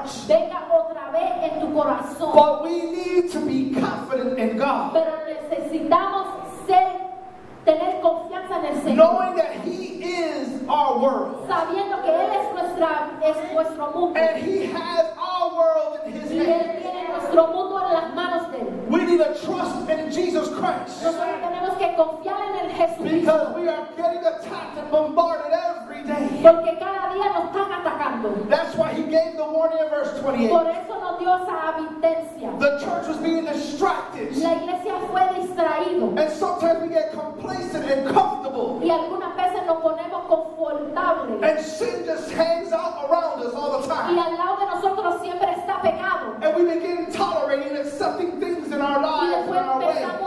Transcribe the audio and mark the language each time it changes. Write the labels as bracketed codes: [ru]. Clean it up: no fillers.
[en] But we need to be confident in God. [es] Pero necesitamos ser, tener confianza en el Señor. [en] Knowing that He is our world. [es] Sabiendo que Él es nuestra, es nuestro mundo. [en] And He has our world in His hands. [es] Y Él tiene nuestro mundo en las manos de Él. [en] We need to trust in Jesus Christ. [es] Nosotros tenemos que confiar en el Jesús. [en] Because we are getting attacked and bombarded every day. [es] Porque cada día nos están atacando. [en] That's why He gave the warning in verse 28. [es] Por eso nos dio esa advertencia. [en] The church was being distracted. [es] La iglesia fue distraída. [en] And sometimes we get complacent and comfortable. [es] Y algunas veces nos ponemos confortables. [en] And sin just hangs out around us all the time. [es] Y al lado de nosotros siempre está pecado. [en] And we begin tolerating and accepting things in our lives and our way.